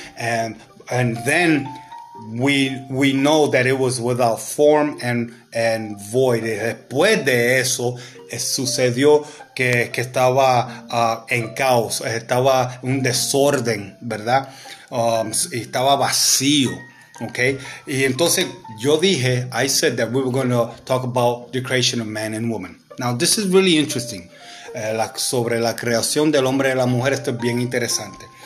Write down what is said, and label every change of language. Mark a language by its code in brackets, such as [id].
[en] And then we know that it was without form and void. [es] Y después de eso, sucedió que estaba en caos. Estaba un desorden, ¿verdad? Estaba vacío. [en] Okay, [es] y entonces yo dije, [en] I said that we were going to talk about the creation of man and woman. Now, this is really interesting. [es] Sobre la creación del hombre y la mujer, esto es bien interesante.